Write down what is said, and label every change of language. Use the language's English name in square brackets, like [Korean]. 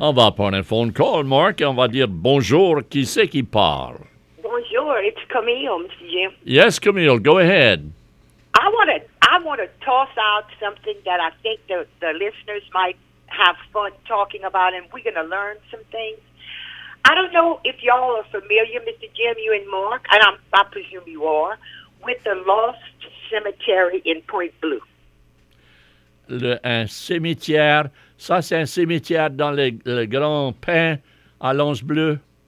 [French] On va prendre un phone call, Mark, et on va dire bonjour, qui c'est qui parle? [English] Bonjour, it's Camille, Mr. Jim. Yes, Camille, go ahead. I want to toss out something that I think the listeners might have fun talking about, and we're going to learn some things. I don't know if y'all are familiar, Mr. Jim, you and Mark, and I presume you are, with the Lost Cemetery in Point Blue. [French] Un cimetière. Ça, c'est un cimetière dans le grand pin à l'Anse Bleu.